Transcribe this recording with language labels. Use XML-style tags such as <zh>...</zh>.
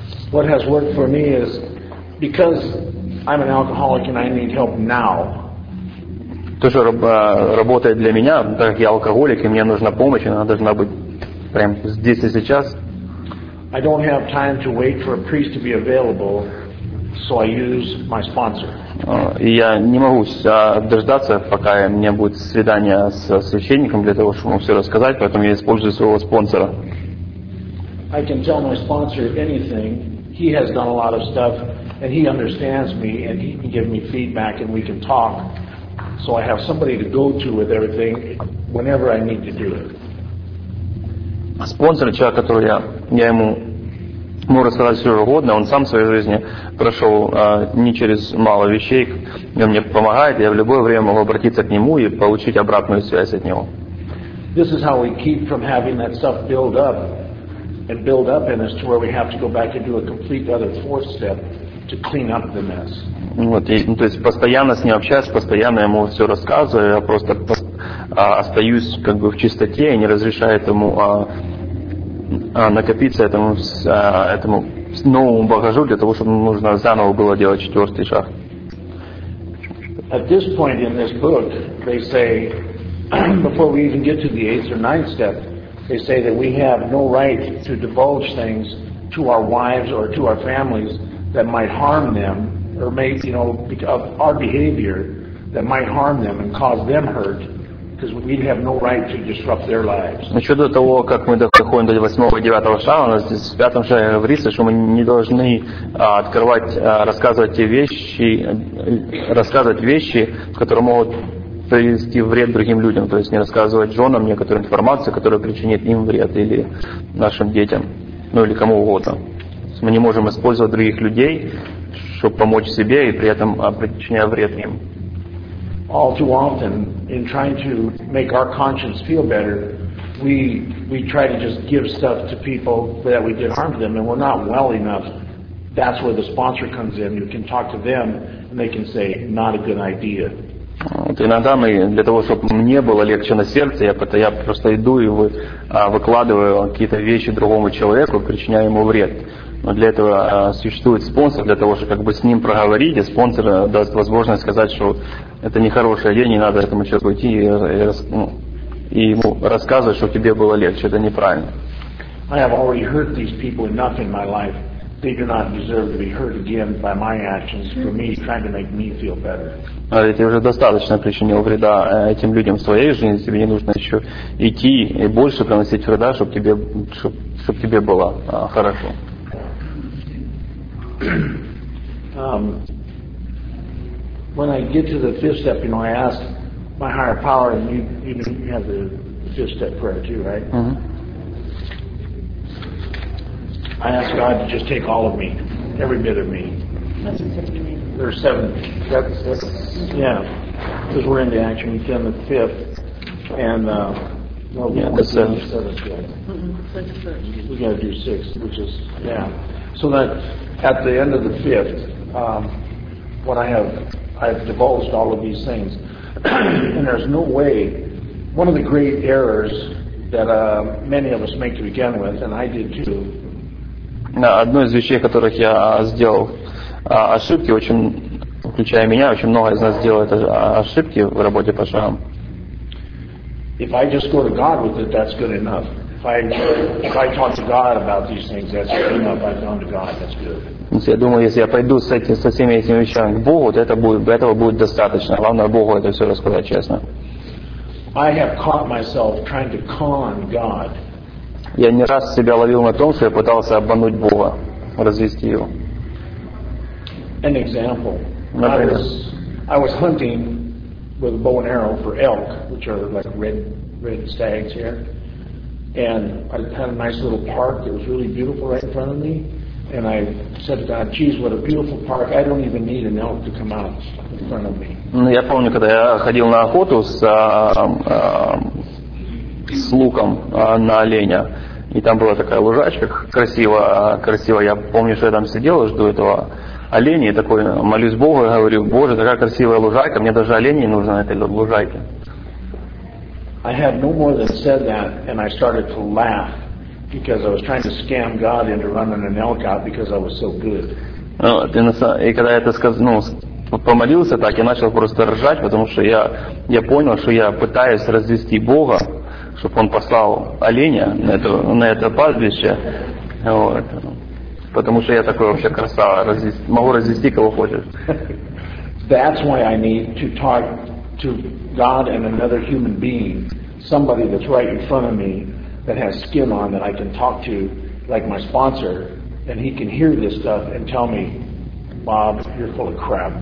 <en>What has worked for me is because I'm an alcoholic and I need help now.</en> <ru>То, что работает для меня, так как я алкоголик и мне нужна помощь, она должна быть прямо здесь и сейчас.</ru> <en>I don't have time to wait for a priest to be available, so I use my sponsor.</en> <ru>Я не могу дождаться, пока у меня будет свидание со священником для того, чтобы ему все рассказать, поэтому я использую своего спонсора.</ru> <en>I can tell my sponsor anything. He has done a lot of stuff, and he understands me, and he can give me feedback, and we can talk. So I have somebody to go to with everything whenever I need to do it.</en> <ru>Спонсор, человек, который я ему могу рассказать все, что угодно, он сам в своей жизни прошел не через мало вещей, и он мне помогает, я в любое время могу обратиться к нему и получить обратную связь от него.</ru> <en>This is how we keep from having that stuff build up and build up in us to where we have to go back and do a complete other fourth step to clean up the mess.</en> <ru>Вот, то есть постоянно с ним общаюсь, постоянно ему все рассказываю, я просто остаюсь как бы в чистоте и не разрешаю этому накопиться этому новому багажу для того, чтобы нужно заново было делать четвертый шаг.</ru> <en>At this point in this book, they say, before we even get to the eighth or ninth step, they say that we have no right to divulge things to our wives or to our families that might harm them or maybe, you know, of our behavior that might harm them and cause them hurt, because we have no right to disrupt their lives.</en> <uk>Щодо того,</uk> <ru>как</ru> <uk>ми доходимо</uk> <ru>до 8-го, 9-го шага, у нас здесь в 5-му шагу говорится,</ru> <uk>що ми</uk> <ru>не должны открывать, рассказывать вещи, которые могут привести вред другим людям, то есть не рассказывать женам некоторую информацию, которая причинит им вред или нашим детям, ну или кому угодно. Мы не можем использовать других людей, чтобы помочь себе и при этом причиняя вред им.</ru> <en>All too often, in trying to make our conscience feel better, we try to just give stuff to people that we did harm to them, and we're not well enough. That's where the sponsor comes in. You can talk to them, and they can say, not a good idea.</en> <ru>Вот иногда мы, для того, чтобы мне было легче на сердце, я просто иду и выкладываю какие-то вещи другому человеку, причиняю ему вред. Но для этого существует спонсор, для того, чтобы как бы с ним проговорить, и спонсор даст возможность сказать, что это нехорошая идея, не надо этому человеку идти и ему рассказывать, что тебе было легче, это неправильно.</ru> <en>I have already hurt these people enough in my life. They do not deserve to be hurt again by my actions for me trying to make me feel better.</en> <ru>А ведь я уже достаточно причинил вреда этим людям в своей жизни, тебе не нужно еще идти и больше приносить вреда, чтобы тебе было хорошо.</ru> <en>When I get to the fifth step, you know, I ask my higher power, and you have the fifth step prayer too, right? Mm-hmm. I ask God to just take all of me, every bit of me. There's seven. Because we're into action, we've done the fifth, and the seventh. We got to do six, which is So that at the end of the fifth, what I've divulged all of these things, and there's no way. One of the great errors that many of us make to begin with, and I did too.</en> <ru>Одно из вещей, которых я сделал, ошибки, очень, включая меня, очень много из нас сделали ошибки в работе по шагам.</ru> <en>If I just go to God with it, that's good enough. If I talk to God about these things, that's good enough. I've gone to God, that's good.</en> <ru>Я думаю, если я пойду со всеми этими вещами к Богу, то этого будет достаточно. Главное Богу это все рассказать честно.</ru> <en>I have caught myself trying to con God.</en> <ru>Я не раз себя ловил на том, что я пытался обмануть Бога, развести его.</ru> <en>An example.</en> <ru>Например.</ru> <en>I was hunting with a bow and arrow for elk, which are like red stags here. And I had a nice little park that was really beautiful right in front of me. And I said to God, geez, what a beautiful park. I don't even need an elk to come out in front of me.</en> <ru>Я помню, когда я ходил на охоту с луком на оленя. И там была такая лужачка красивая. Я помню, что я там сидел и жду этого оленя. И такой молюсь Богу и говорю, Боже, такая красивая лужайка. Мне даже оленей нужно на этой лужайке.</ru> <en>I had no more than said that, and I started to laugh because I was trying to scam God into running an elk out because I was so good.</en> <ru>И когда я это сказал, помолился так, я начал просто ржать, потому что я понял, что я пытаюсь развести Бога, чтобы он послал оленя на это пастбище, вот. Потому что я такой вообще красава, могу развести кого хочешь.</ru> <en>That's why I need to talk to God and another human being, somebody that's right in front of me, that has skin on that I can talk to, like my sponsor, and he can hear this stuff and tell me, Bob, you're full of crap.</en>